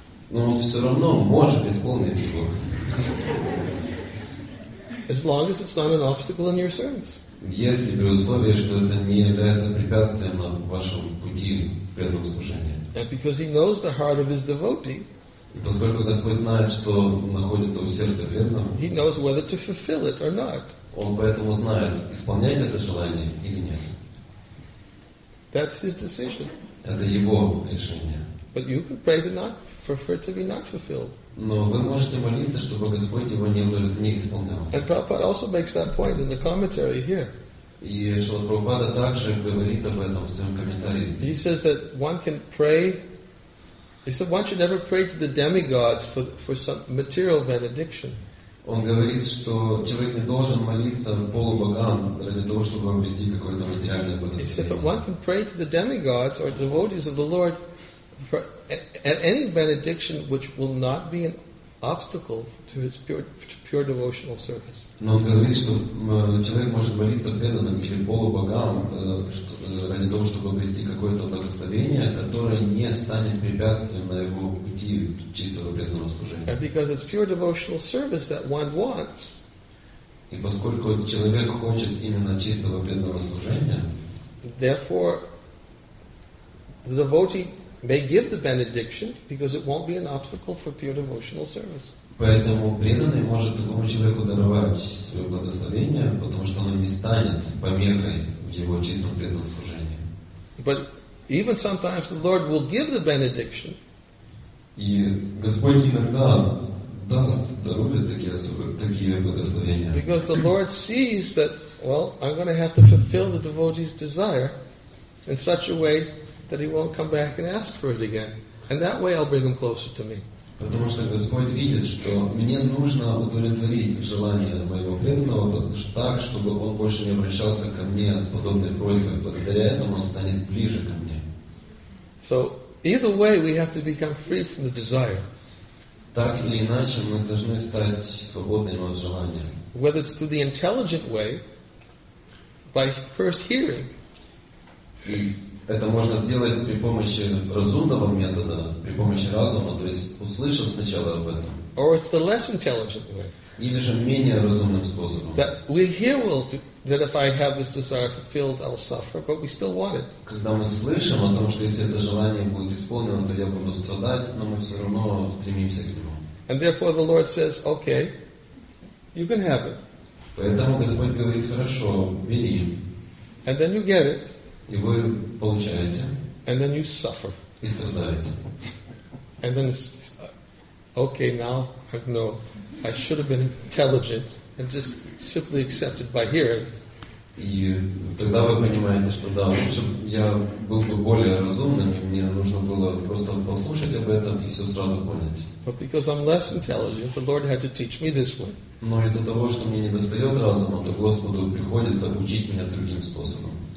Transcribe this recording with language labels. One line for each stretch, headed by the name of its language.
Russian: Но он все равно может исполнить его.
English: As long as it's not an obstacle in your service.
Russian: Если при условии, что это не является препятствием на вашем пути в преданном служении.
English: And because he knows the heart of his devotee.
Russian: И поскольку Господь знает, что находится в сердце преданного.
English: He knows whether to fulfill it or not.
Russian: Он поэтому знает, исполнять это желание или нет.
English: That's his decision.
Russian: Это его решение.
English: But you could pray to not for it to be not fulfilled.
Russian: Но вы можете молиться, чтобы Господь его не исполнял.
English: And Prabhupada also makes that point in the commentary here.
Russian: И Шрила Прабхупада также говорит об этом в своем комментарии здесь.
English: He says that one can pray. He said one should never pray to the demigods for some material benediction.
Russian: Он говорит, что человек не должен молиться полубогам ради того, чтобы обрести какое-то материальное благословение.
English: He said, but one can pray to the demigods or devotees of the Lord for any benediction which will not be an obstacle to his pure devotional service.
Russian: Но он говорит, что человек может молиться преданным или полубогам ради того, чтобы обрести какое-то благословение, которое не станет препятствием на его пути чистого преданного служения.
English: And because it's pure devotional service that one wants.
Russian: И поскольку человек хочет именно чистого преданного служения,
English: therefore the devotee may give the benediction because it won't be an obstacle for pure devotional service.
Russian: Поэтому преданный может такому человеку даровать свое благословение, потому что оно не станет помехой в его чистом преданном служении.
English: But even sometimes the Lord will give the benediction.
Russian: И Господь иногда даст, дарует такие благословения.
English: Because the Lord sees that, well, I'm going to have to fulfill the devotee's desire in such a way that he won't come back and ask for it again. And that way I'll bring him closer to me.
Russian: Потому что Господь видит, что мне нужно удовлетворить желание моего преданного так, чтобы он больше не обращался ко мне с подобной просьбой. Благодаря этому он станет ближе ко мне.
English: So, either way, we have to become free from the desire.
Russian: Так или иначе, мы должны стать свободными от желания.
English: Whether it's through the intelligent way, by first hearing.
Russian: Это можно сделать при помощи разумного метода, при помощи разума, то есть услышав сначала об этом.
English: Or it's the less intelligent way.
Russian: Или же менее разумным способом.
English: That we hear will do, that if I have this desire fulfilled, I'll suffer, but we still want it.
Russian: Когда мы слышим о том, что если это желание будет исполнено, то я буду страдать, но мы все равно стремимся к нему.
English: And therefore the Lord says, okay, you can have it.
Russian: Поэтому Господь говорит, хорошо, бери.
English: And then you get it.
Russian: И вы получаете.
English: And then you suffer.
Russian: И страдаете.
English: And then it's okay, now I know I should have been intelligent and just simply accepted by hearing.
Russian: И тогда вы понимаете, что да, лучше я был бы более разумным, и мне нужно было просто послушать об этом и все сразу понять.
English: But because I'm less intelligent, the Lord had to teach me this way.
Russian: Но из-за того, что мне не достает разума, то Господу приходится учить меня другим способом.